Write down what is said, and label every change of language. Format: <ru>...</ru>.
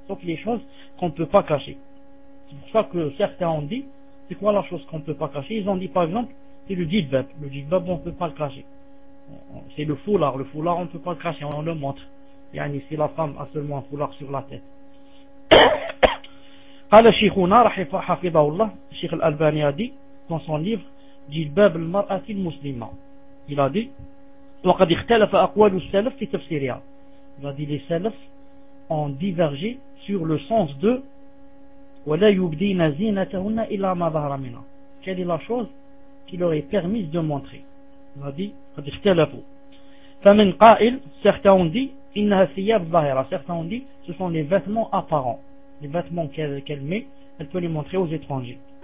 <fr>Sauf les choses qu'on ne peut pas cacher. C'est pour ça que certains ont dit, c'est quoi la chose qu'on ne peut pas cacher? Ils ont dit par exemple, c'est le djilbab. Le djilbab, on ne peut pas le cacher. C'est le foulard. Le foulard, on ne peut pas le cacher, on le montre.</fr> <ar>يعني</ar> <fr>si la femme a seulement un foulard sur la tête.</fr> <ar>قال شيخنا حفظه الله الشيخ الألباني</ar> <fr>a dit dans son livre</fr> <ar>جلباب المرأة المسلمة.</ar> <fr>Il a dit</fr> <ar>وقد اختلف أقوال السلف في تفسيرها.</ar> <fr>Il a dit les salaf ont divergé sur le sens de</fr> <ar>ولا يبدين زينتهن إلا ما ظهر منها.</ar> <fr>Quelle est la chose qui leur est permise de montrer. Il a dit</fr> <ar>قد اختلفوا. فمن قائل</ar> <fr>certains ont dit certains ont dit ce sont les vêtements apparents, les vêtements qu'elle met, elle peut les montrer aux étrangers.</fr>